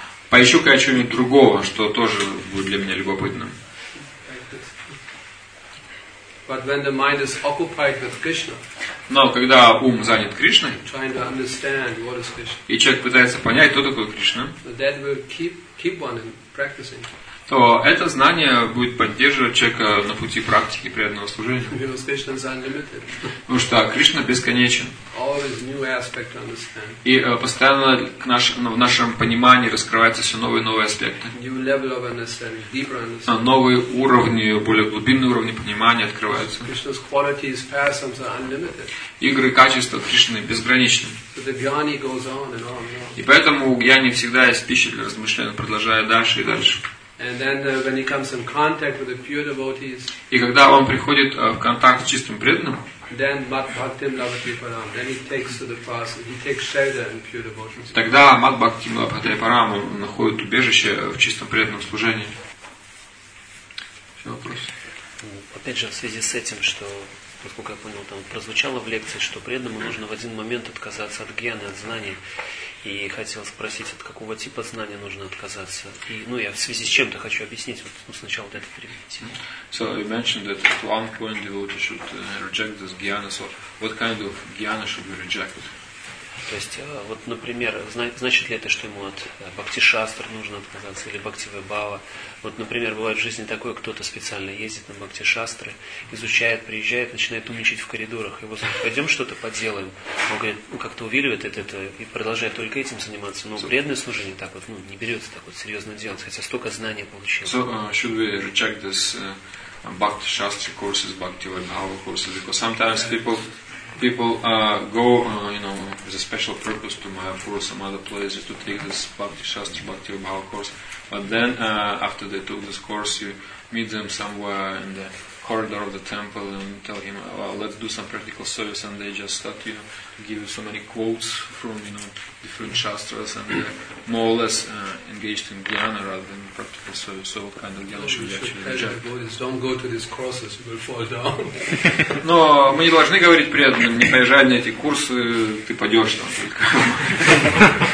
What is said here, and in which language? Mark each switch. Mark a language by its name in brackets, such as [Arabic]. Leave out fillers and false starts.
[Russian] Поищу-ка я чего-нибудь другого, что тоже будет для меня любопытным. [English] But when the mind is occupied with Krishna, [Russian] но когда ум занят Кришной, [English] trying to understand what is Krishna, [Russian] и человек пытается понять, кто такой Кришна, [English] that will keep one in practicing. [Russian] То это знание будет поддерживать человека на пути практики преданного служения. [English] Because Krishna is unlimited. [Russian] Потому что Кришна бесконечен. [English] Always new aspect to understand. [Russian] И постоянно в нашем понимании раскрываются все новые и новые аспекты. [English] New level of understanding, deeper understanding. [Russian] Новые уровни, более глубинные уровни понимания открываются. [English] Krishna's qualities, persons are unlimited. [Russian] Игры качества Кришны безграничны. [English] So the jnani goes on and on and on. [Russian] И поэтому у гьяни всегда есть пища для размышления, продолжая дальше и дальше. [English] And then when he comes in contact with the pure devotees, [Russian] и когда он приходит в контакт с чистым преданным, [English] then Madhvaktim Lavatiparam, then he takes to the past, he takes shelter in pure devotees. [Russian] Тогда Madhvaktim Lavatiparam находит убежище в чистом преданном служении. Все вопрос. Опять же, в связи с этим, что, насколько я понял, там прозвучало в лекции, что преданному нужно в один момент отказаться от гьяны, от знаний. И хотел спросить, от какого типа знания нужно отказаться? И, ну, я в связи с чем-то хочу объяснить. Вот, ну, сначала вот это приведите. [English] So you mentioned that at one point devotee should reject this jnana. So what kind of jnana should be rejected? [Russian] То есть, вот, например, значит ли это, что ему от бхакти-шастр нужно отказаться или бхакти-вебава? Вот, например, бывает в жизни такое, кто-то специально ездит на бхакти-шастры, изучает, приезжает, начинает умничать в коридорах. Его зовут, пойдем что-то поделаем. Он говорит, ну, как-то увиливает это и продолжает только этим заниматься. Но преданное служение так вот, ну, не берется так вот серьезно делать, хотя столько знаний получил. [English] So, should we reject this bhakti-шастры courses, bhakti-вебава courses? Because sometimes people go, with a special purpose to Mayapur or some other place to take this Bhakti Shastra, Bhakti Vibhava course. But then, after they took this course, you meet them somewhere in the corridor of the temple and tell him, well, let's do some practical service, and they just start, you know, give you so many quotes from, you know, different Shastras, and they're more or less engaged in jnana rather than practical service. So what kind of jnana should we actually reject? Don't go to these courses, you will fall down. [Russian] Но мы не должны говорить преданным, не поезжай на эти курсы, ты падешь там только.